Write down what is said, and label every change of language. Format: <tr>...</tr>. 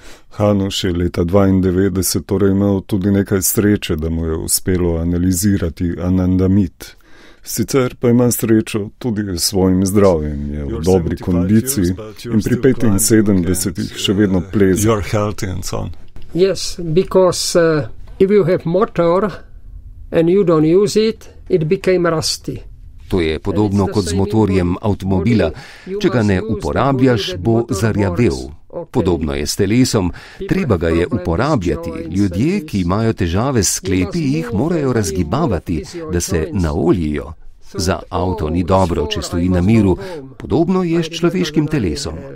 <sl>Hanoš je leta 92 torej imel tudi nekaj sreče, da mu je uspelo analizirati anandamid. Sicer pa ima srečo tudi s svojim zdravjem, je v dobri kondiciji in pri 75 še vedno pleza.</sl> <en>You are healthy and so on. Yes, because if you have motor and you don't use it, it became rusty.</en> <sl>To je podobno kot z motorjem avtomobila. Če ga ne uporabljaš, bo zarjavel. Podobno je s telesom. Treba ga je uporabljati. Ljudje, ki imajo težave s sklepi, jih morajo razgibavati, da se naoljijo. Za avto ni dobro, če stoji na miru. Podobno je s človeškim telesom.</sl>